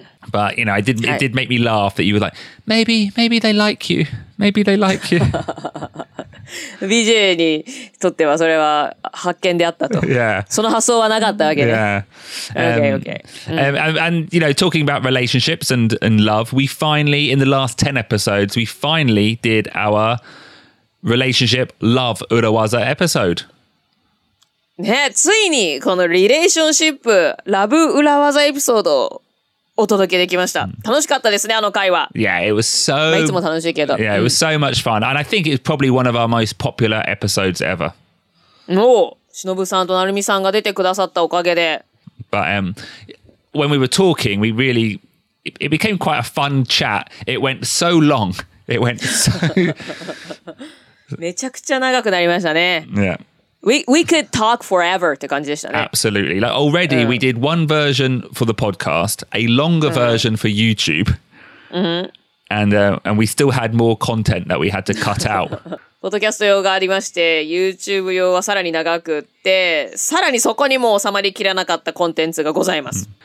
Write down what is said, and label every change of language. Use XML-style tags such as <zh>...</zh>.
<en>But you know, I did, it did make me laugh that you were like, maybe, maybe they like you. Maybe they like you.</en> <ja>BJ にとってはそれは発見であったと。</ja> <en>Yeah.</en> <ja>その発想はなかったわけです。</ja> <en>Yeah. Okay. And you know, talking about relationships and love, we finally, in the last 10 episodes, we finally did our relationship love 裏技 episode.</en> <ja>ね、ついにこのリレーションシップラブ裏技エピソードをお届けできました。楽しかったですね、あの会話。</ja> <en>Yeah, it was so...</en> <ja>いつも楽しいけど。</ja> <en>Yeah, it was so much fun. And I think it's probably one of our most popular episodes ever.</en> <ja>もう、しのぶさんとなるみさんが出てくださったおかげで。</ja> <en>But, when we were talking, we really... It became quite a fun chat. It went so long. It went so...</en> <ja>めちゃくちゃ長くなりましたね。</ja> <en>Yeah.</en> <ja>We could talk forever って感じでしたね。</ja> <en>Absolutely. Like already、we did one version for the podcast, a longer、version for YouTube,、and we still had more content that we had to cut out.</en> <ja>ポッドキャスト用がありまして、YouTube 用はさらに長くって、さらにそこにも収まりきらなかったコンテンツがございます。</ja>